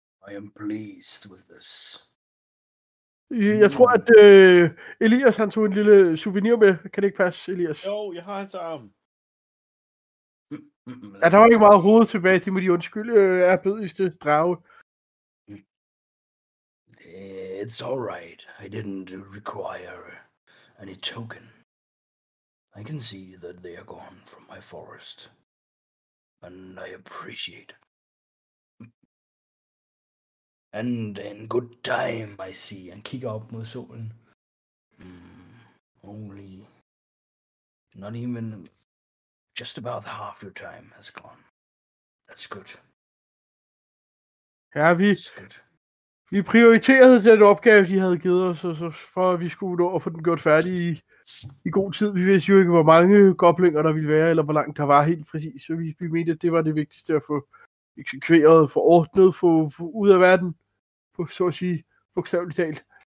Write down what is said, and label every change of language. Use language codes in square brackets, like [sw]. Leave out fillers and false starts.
[en] I am pleased with this. [da] Jeg tror, at Elias han tog en lille souvenir med. Kan det ikke passe, Elias? Jo, jeg har hans arm. Ja, der var ikke meget hoved tilbage. De må de undskylde, ærbødigste drage. [en] It's alright. I didn't require any token. I can see that they are gone from my forest. And I appreciate. And in good time, I see, and [da] kigger op mod solen. [en] Only, not even, just about half your time has gone. That's good. [da] Ja, vi prioriterede den opgave, de havde givet os, og så for at vi skulle nå at få den gjort færdig i god tid. Vi vidste jo ikke, hvor mange goblinger der ville være, eller hvor langt der var helt præcis. Så vi mente, at det var det vigtigste at få eksekveret, få ordnet, få ud af verden. Så at sige, bogstaveligt talt,